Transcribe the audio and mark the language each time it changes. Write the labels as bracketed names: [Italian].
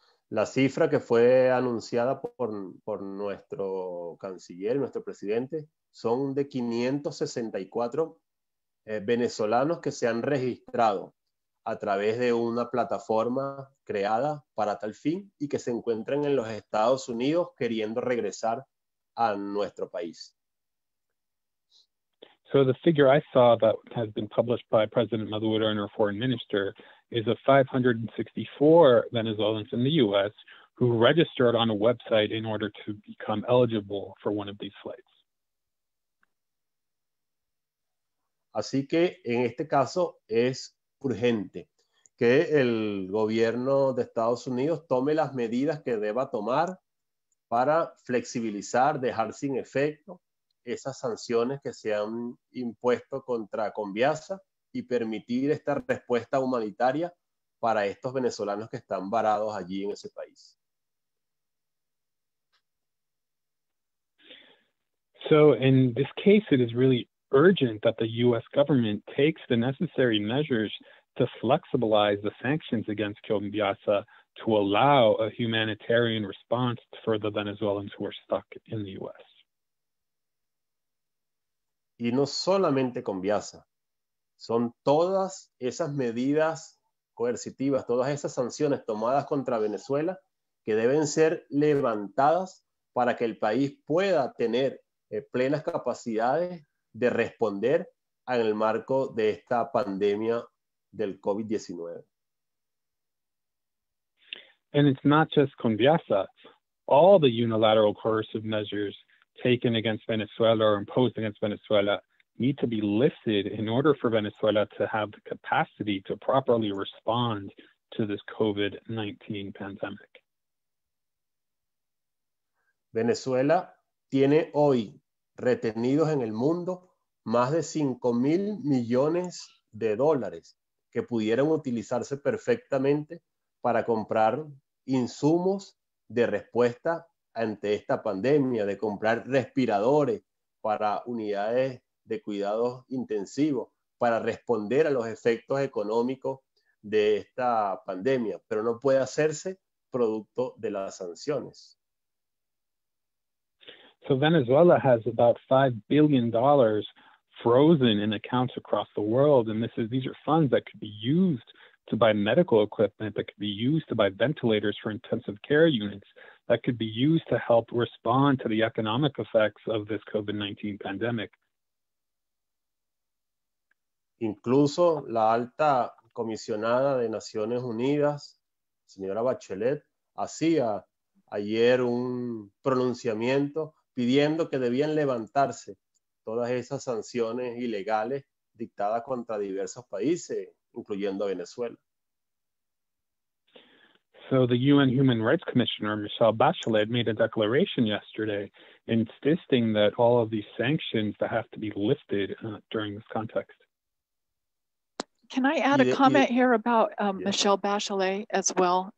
[Spanish] La cifra que fue anunciada por nuestro canciller, nuestro presidente, son de 564 venezolanos que se han registrado a través de una plataforma creada para tal fin y que se encuentran en los Estados Unidos queriendo regresar a nuestro país. [English] So the figure I saw that has been published by President Maduro and our foreign minister is of 564 Venezuelans in the U.S. who registered on a website in order to become eligible for one of these flights. [Spanish] Así que en este caso es urgente que el gobierno de Estados Unidos tome las medidas que deba tomar para flexibilizar, dejar sin efecto esas sanciones que se han impuesto contra Conviasa y permitir esta respuesta humanitaria para estos venezolanos que están varados allí en ese país. [English] So in this case, it is really urgent that the U.S. government takes the necessary measures to flexibilize the sanctions against Conviasa to allow a humanitarian response for the Venezuelans who are stuck in the U.S. [Spanish] Y no solamente Conviasa, son todas esas medidas coercitivas, todas esas sanciones tomadas contra Venezuela que deben ser levantadas para que el país pueda tener plenas capacidades de responder en el marco de esta pandemia del COVID-19. [English] And it's not just Conviasa, all the unilateral coercive measures taken against Venezuela or imposed against Venezuela need to be lifted in order for Venezuela to have the capacity to properly respond to this COVID-19 pandemic? [Spanish] Venezuela tiene hoy retenidos en el mundo más de 5,000 millones de dólares que pudieran utilizarse perfectamente para comprar insumos de respuesta ante esta pandemia, de comprar respiradores para unidades de cuidados intensivos, para responder a los efectos económicos de esta pandemia, pero no puede hacerse producto de las sanciones. [English] So Venezuela has about $5 billion frozen in accounts across the world, and these are funds that could be used to buy medical equipment, that could be used to buy ventilators for intensive care units, that could be used to help respond to the economic effects of this COVID-19 pandemic. [Spanish] Incluso la alta comisionada de Naciones Unidas, señora Bachelet, hacía ayer un pronunciamiento pidiendo que debían levantarse todas esas sanciones ilegales dictadas contra diversos países, incluyendo Venezuela. [English] So the UN Human Rights Commissioner, Michelle Bachelet, made a declaration yesterday insisting that all of these sanctions that have to be lifted during this context. Can I add a comment here about Michelle Bachelet as well?